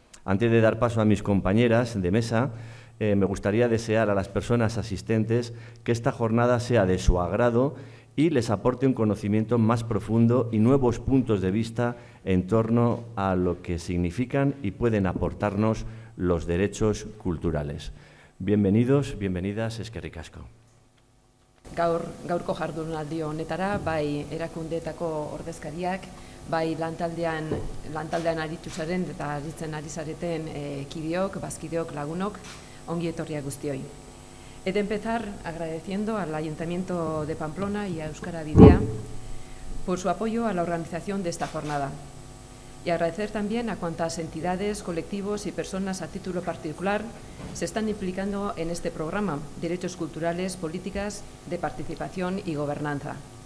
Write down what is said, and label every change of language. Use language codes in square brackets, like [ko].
[es] Antes de dar paso a mis compañeras de mesa, me gustaría desear a las personas asistentes que esta jornada sea de su agrado y les aporte un conocimiento más profundo y nuevos puntos de vista en torno a lo que significan y pueden aportarnos los derechos culturales. Bienvenidos, bienvenidas, [eu] eskerrik asko. Gaurko jardunaldi honetara, bai erakundeetako ordezkariak, bai lantaldean aritu zaren eta aritzen ari zareten kideok, bazkideok, lagunok, ongi etorria guztioi. [es] He de empezar agradeciendo al Ayuntamiento de Pamplona y a Euskara Bidea por su apoyo a la organización de esta jornada. Y agradecer también a cuantas entidades, colectivos y personas a título particular se están implicando en este programa Derechos Culturales, Políticas de Participación y Gobernanza.